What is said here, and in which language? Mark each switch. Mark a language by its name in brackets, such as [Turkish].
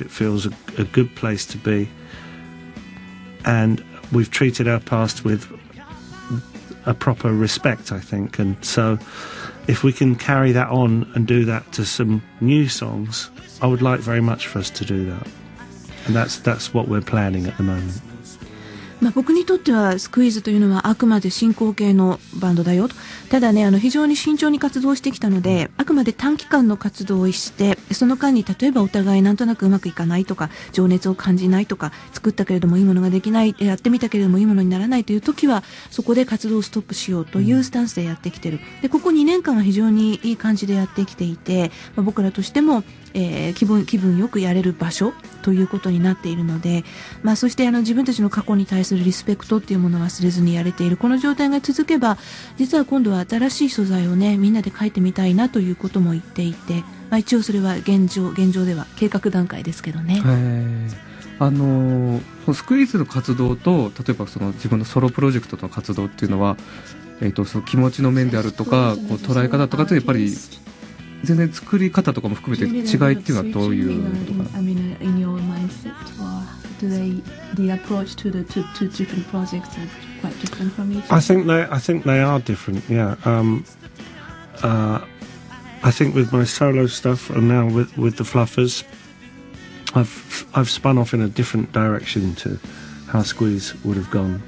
[English] It feels a good place to be. And we've treated our past witha proper respect, I think, and so if we can carry that on and do that to some new songs, I would like very much for us to do that, and that's what we're planning at the moment. [Japanese] まあ僕にとってはスクイーズというのはあくまで進行形のバンドだよと。ただね、非常に慎重に活動してきたので、あくまで短期間の活動をして、その間に例えばお互いなんとなくうまくいかないとか、情熱を感じないとか、作ったけれどもいいものができない、やってみたけれどもいいものにならないという時はそこで活動をストップしようというスタンスでやってきてる。でここ2年間は非常にいい感じでやってきていて、まあ、僕らとしても気分よくやれる場所ということになっているので、まあ、そして自分たちの過去に対するリスペクトっていうものを忘れずにやれている。この状態が続けば、実は今度は新しい素材をね、みんなで書いてみたいなということも言っていて、まあ、一応それは現状では計画段階ですけどね。スクイーズの活動と例えばその自分のソロプロジェクトとの活動っていうのは、その気持ちの面であるとか、こう捉え方とかってやっぱり全然作り方とかも含めて違いっていうのはどういうことかな。 [English] I mean, in your mindset or do they, the approach to the two different projects are quite different from each other? I think they are different, yeah. I think with my solo stuff and now with the Fluffers, I've spun off in a different direction to how Squeeze would have gone.